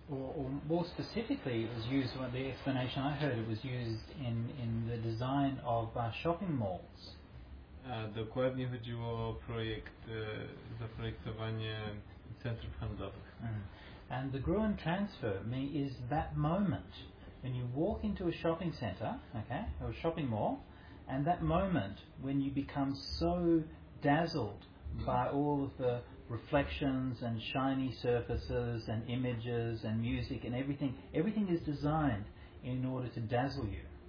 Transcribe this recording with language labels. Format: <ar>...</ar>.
<en>Or more specifically, it was used. Well, the explanation I heard, it was used in the design of shopping malls.</en> <pl>Dokładnie chodziło o projekt zaprojektowanie centrów handlowych.</pl> <en>And the Gruen Transfer is that moment when you walk into a shopping center, okay, or a shopping mall, and that moment when you become so dazzled by all of the reflections and shiny surfaces and images and music and everything is designed in order to dazzle you.</en>